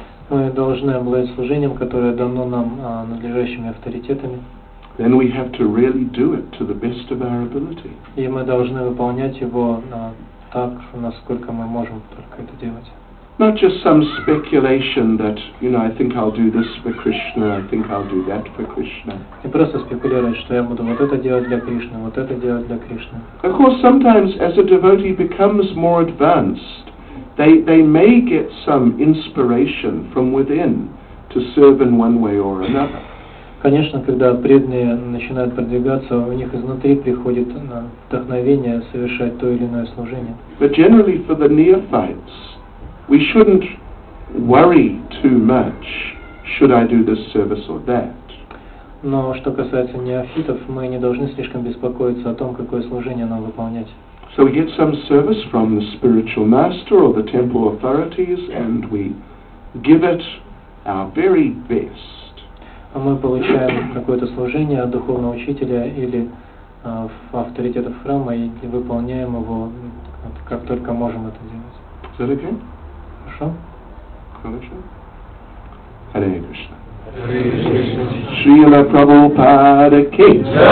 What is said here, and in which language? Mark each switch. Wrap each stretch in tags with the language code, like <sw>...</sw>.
<ru>Мы должны обладать служением, которое дано нам надлежащими авторитетами.</ru> <en>Then we have to really do it to the best of our ability.</en> <ru>И мы должны выполнять его так, насколько мы можем только это делать.</ru> <en>Not just some speculation that, you know, I think I'll do this for Krishna, I think I'll do that for Krishna.</en> <ru>Не просто спекулировать, что я буду вот это делать для Кришны, вот это делать для Кришны.</ru> <en>Of course, sometimes as a devotee becomes more advanced, they may get some inspiration from within to serve in one way or another.</en> <ru>Конечно, когда преданные начинают продвигаться, у них изнутри приходит вдохновение совершать то или иное служение.</ru> <en>But generally for the neophytes, we shouldn't worry too much, should I do this service or that.</en> <ru>Но что касается неофитов, мы не должны слишком беспокоиться о том, какое служение нам выполнять.</ru> <en>So we get some service from the spiritual master or the temple authorities, and we give it our very best.</en> <ru>А мы получаем какое-то служение от духовного учителя или авторитетов храма и выполняем его, как только можем это делать. Хорошо? Хорошо. Харе Кришна. Шрила Прабхупада ки.</ru>